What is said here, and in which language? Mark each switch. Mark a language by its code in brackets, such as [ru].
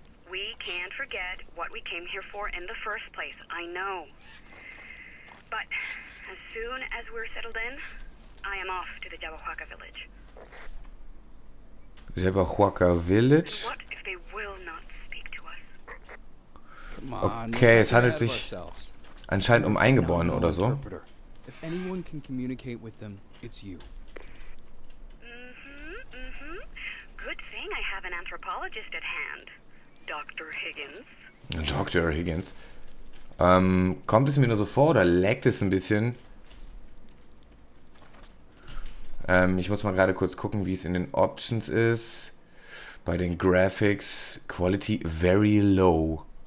[en] We can't forget what we came here for in the first place, I know. But as soon as we're settled in, I am off to the Jabberwocka village. Jabberwocka village? What if they will not speak to us? Come on, okay, [de] es handelt sich anscheinend um Eingeborene oder so. [en] If anyone can communicate with them, it's you. Mm-hmm, mm-hmm. Good thing I have an anthropologist at hand. Dr. Higgins. Dr. Higgins. [de] Kommt es mir nur so vor oder laggt es ein bisschen? Ich muss mal gerade kurz gucken, wie es in den Options ist. Bei den Graphics. [en] Quality very low.